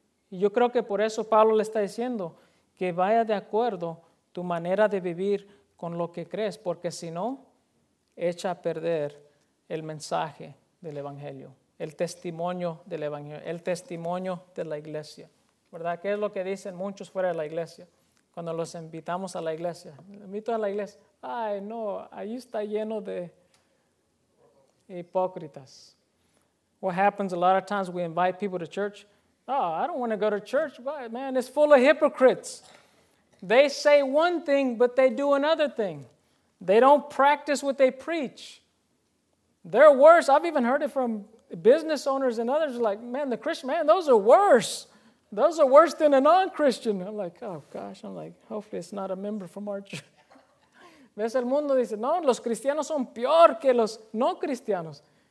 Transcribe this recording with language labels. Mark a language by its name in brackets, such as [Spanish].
[Spanish] Y yo creo que por eso Pablo le está diciendo que vaya de acuerdo tu manera de vivir con lo que crees, porque si no, echa a perder el mensaje del Evangelio, el testimonio del Evangelio, el testimonio de la iglesia. ¿Verdad? ¿Qué es lo que dicen muchos fuera de la iglesia? Cuando los invitamos a la iglesia, los invito a la iglesia, ay no, ahí está lleno de hipócritas. [English] What happens a lot of times we invite people to church, oh, I don't want to go to church, why? Man, it's full of hypocrites. They say one thing, but they do another thing. They don't practice what they preach. They're worse. I've even heard it from business owners and others, like, man, the Christian, man, those are worse. Those are worse than a non-Christian. I'm like, oh, gosh. I'm like, hopefully it's not a member from our church. [Spanish] ¿Ves? El mundo dice, no, los cristianos son peor que los no cristianos.